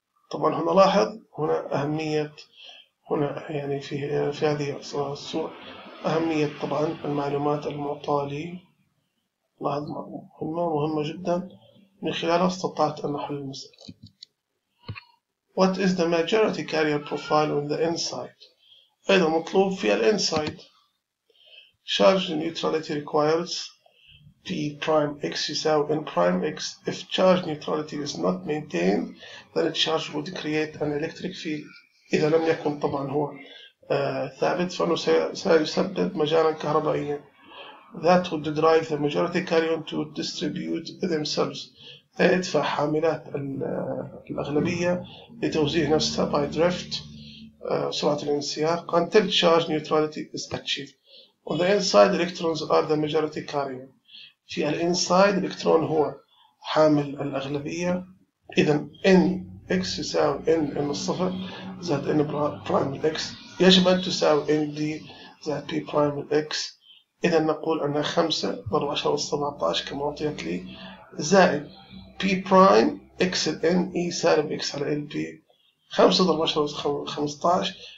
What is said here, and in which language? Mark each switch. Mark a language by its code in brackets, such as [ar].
[ar] طبعا هنا لاحظ هنا أهمية هنا يعني في هذه الصورة أهمية طبعا المعلومات المعطاة لي، لاحظ مهمة مهمة جدا من خلالها استطعت أن أحل المسألة. [en] What is the majority carrier profile on the inside؟ [ar] أيضا مطلوب في ال [en] inside charge neutrality requires P prime x يساوي n prime x. If charge neutrality is not maintained, then the charge would create an electric field. [ar] إذا لم يكن طبعا هو ثابت فإنه سيسبب مجالا كهربائيا. [en] That would drive the majority carrier to distribute themselves. [ar] يدفع حاملات الأغلبية لتوزيع نفسها [en] by drift [ar] سرعة الانسياق [en] until charge neutrality is achieved. On the inside, electrons are the majority carrier. [ar] في الانسايد الالكترون هو حامل الاغلبيه. اذا ان اكس يساوي ان ام الصفر زائد ان برايم اكس يجب ان تساوي ان دي زائد بي برايم اكس. اذا نقول ان 5 ضرب 10 اس 17 كما اعطيت لي زائد بي برايم اكس ان اي سالب اكس على ال بي 5 ضرب 10 اس 15.